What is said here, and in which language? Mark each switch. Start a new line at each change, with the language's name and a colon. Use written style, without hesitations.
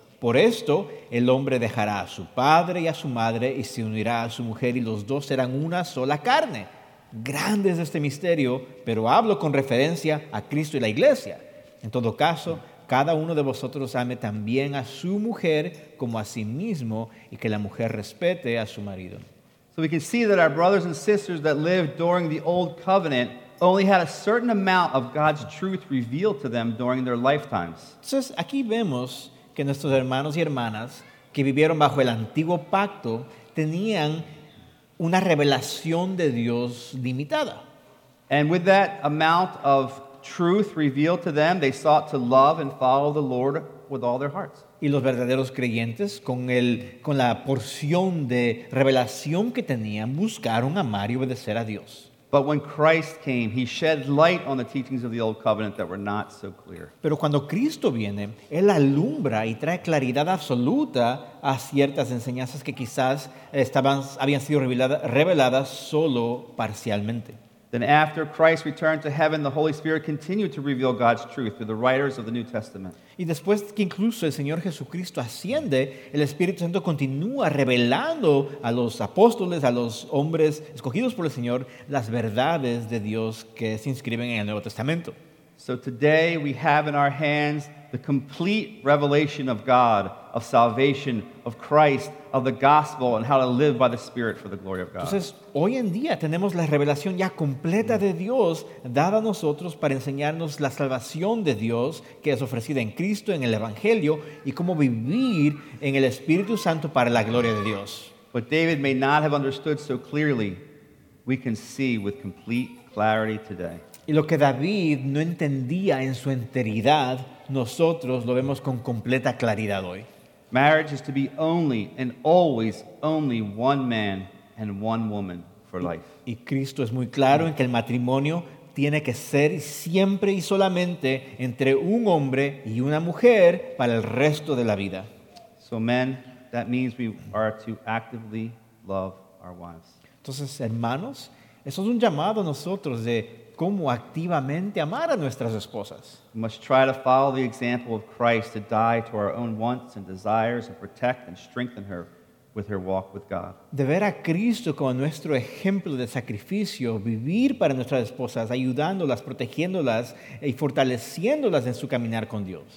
Spanish: Por esto, el hombre dejará a su padre y a su madre y se unirá a su mujer y los dos serán una sola carne. Grande es este misterio, pero hablo con referencia a Cristo y la iglesia. En todo caso, cada uno de vosotros ame también a su mujer como a sí mismo y que la mujer respete a su marido.
English: So we can see that our brothers and sisters that lived during the old covenant only had a certain amount of God's truth revealed to them during their lifetimes.
Spanish: Entonces, aquí vemos que nuestros hermanos y hermanas que vivieron bajo el antiguo pacto tenían una revelación de Dios limitada.
English: And with that amount of truth revealed to them, they sought to love and follow the Lord with all their hearts.
Spanish: Y los verdaderos creyentes, con la porción de revelación que tenían, buscaron amar y obedecer a Dios.
English: But when Christ came, he shed light on the teachings of the old covenant that were not so clear.
Spanish: Pero cuando Cristo viene, él alumbra y trae claridad absoluta a ciertas enseñanzas que quizás habían sido reveladas solo parcialmente.
English: Then after Christ returned to heaven, the Holy Spirit continued to reveal God's truth through the writers of the New Testament.
Spanish: Y después que incluso el Señor Jesucristo asciende, el Espíritu Santo continúa revelando a los apóstoles, a los hombres escogidos por el Señor, las verdades de Dios que se inscriben en el Nuevo Testamento.
English: So today we have in our hands the complete revelation of God, of salvation, of Christ, of the gospel, and how to live by the Spirit for the glory of God.
Spanish: Entonces, hoy en día tenemos la revelación ya completa de Dios dada a nosotros para enseñarnos la salvación de Dios que es ofrecida en Cristo, en el Evangelio, y cómo vivir en el Espíritu Santo para la gloria de Dios.
English: But David may not have understood so clearly, we can see with complete clarity today.
Spanish: Y lo que David no entendía en su enteridad, nosotros lo vemos con completa claridad hoy.
English: Marriage is to be only and always only one man and one woman for life.
Spanish: Y Cristo es muy claro en que el matrimonio tiene que ser siempre y solamente entre un hombre y una mujer para el resto de la vida.
English: So men, that means we are to actively love our wives.
Spanish: Entonces, hermanos, eso es un llamado a nosotros de cómo activamente amar a nuestras esposas.
English: We must try to follow the example of Christ to die to our own wants and desires and protect and strengthen her with her walk with God.
Spanish: De ver a Cristo como nuestro ejemplo de sacrificio, vivir para nuestras esposas, ayudándolas, protegiéndolas y fortaleciéndolas en su caminar con Dios.